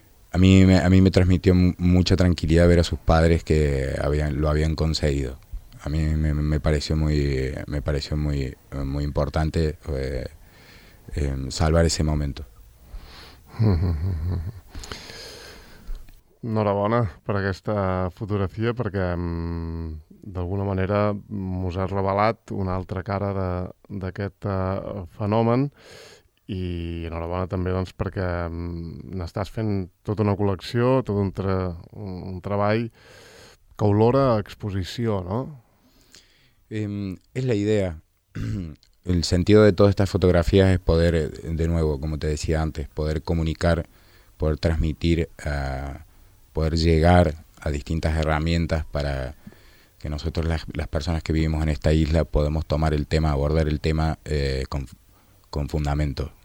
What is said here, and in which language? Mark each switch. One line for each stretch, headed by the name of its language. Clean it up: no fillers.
Spanish: A mí me transmitió mucha tranquilidad ver a sus padres que lo habían conseguido. A mí me pareció muy importante salvar ese momento.
Catalan: Enhorabona per aquesta fotografia, perquè d'alguna manera mos has revelat una altra cara d'aquest fenomen. I enhorabona també, doncs, perquè n'estàs fent tota una col·lecció, tot un treball que olora a exposició, no?
Spanish: Es la idea. El sentido de todas estas fotografías es poder, de nuevo, como te decía antes, poder comunicar, poder transmitir, poder llegar a distintas herramientas para que nosotros, las personas que vivimos en esta isla, podemos tomar el tema, abordar el tema con fundamento.